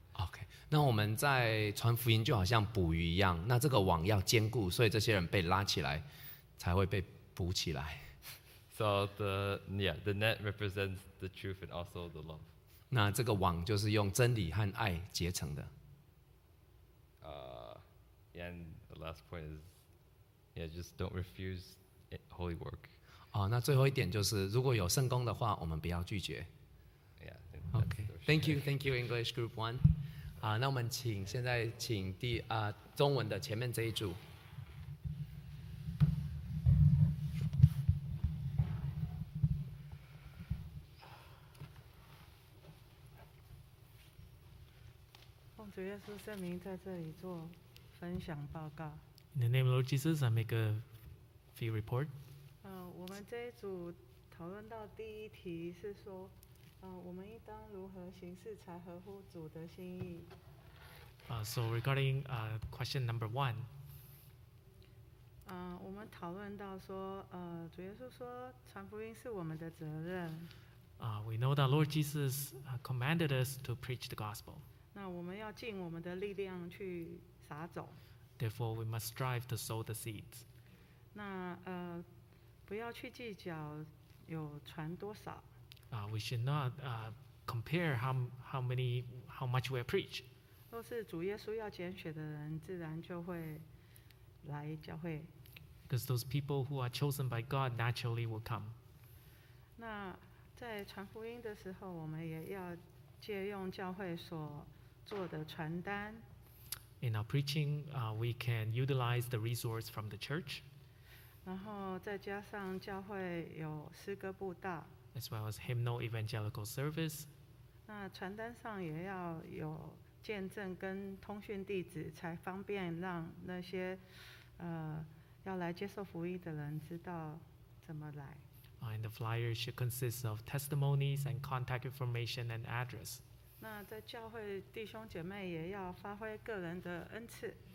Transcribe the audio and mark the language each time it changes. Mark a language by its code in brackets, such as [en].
[zh] Okay, 那我们在传福音就好像捕鱼一样，那这个网要坚固，所以这些人被拉起来才会被捕起来。 [en] So the net represents the truth and also the love. [zh] 那这个网就是用真理和爱结成的。 [en] And the last point is, just don't refuse holy work. [zh] 那最后一点就是，如果有圣工的话，我们不要拒绝。 [en] Okay. Thank you, English Group One. [zh] 那我们请现在请第中文的前面这一组。奉主耶稣圣名在这里做分享报告。 [en] In the name of Lord Jesus, I make a few report. [zh] 我们这一组讨论到第一题是说。我们应当如何行事才合乎主的心意？ [en] So regarding question number one. [zh] 我们讨论到说，主耶稣说传福音是我们的责任。 [en] We know that Lord Jesus commanded us to preach the gospel. [zh] 那我们要尽我们的力量去撒种。 [en] Therefore, we must strive to sow the seeds. [zh] 那不要去计较有传多少。 [en] We should not compare how much we preach. [zh] 若是主耶稣要拣选的人，自然就会来教会。 [en] Because those people who are chosen by God naturally will come. [zh] 那在传福音的时候，我们也要借用教会所做的传单。 [en] In our preaching, we can utilize the resource from the church. [zh] 然后再加上教会有诗歌布道。 [en] As well as hymnal evangelical service. [zh] 那传单上也要有见证跟通讯地址，才方便让那些要来接受福音的人知道怎么来。 [en] And the flyer should consist of testimonies and contact information and address. [zh] 那在教会弟兄姐妹也要发挥个人的恩赐。